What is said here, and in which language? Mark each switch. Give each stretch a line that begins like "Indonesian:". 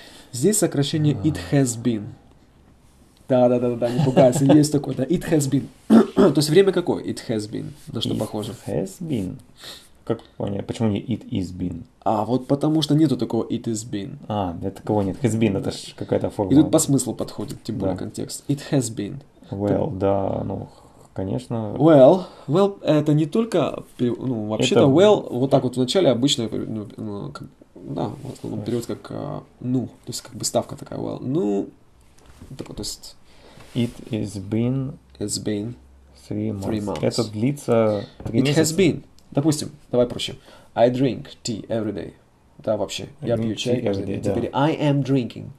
Russian: Здесь сокращение
English: it has been.
Russian: Да, не пугайся, есть такое, да.
English: It has been.
Russian: То есть время какое?
English: It has been.
Russian: На что
English: it
Russian: похоже?
English: Has been.
Russian: Как понять, почему не
English: it is been?
Russian: А, вот потому что нету такого
English: it is been.
Russian: А, для такого нет. Has been — это же какая-то форма. И тут по смыслу подходит, тем более контекст.
English: It has been.
Russian: Well, да, ну, Конечно. Well, well, это не только, ну, вообще-то это... well, вот так вот вначале обычно, ну, как, да, в основном берет как, ну, то есть как бы ставка такая, well, ну, такой, то есть.
English: It has been. It's been. Three months.
Russian: Это длится три месяца.
English: It has been.
Russian: Допустим, давай проще.
English: I drink tea every day.
Russian: Да, вообще. Я пью чай каждый день. Теперь
English: I am drinking.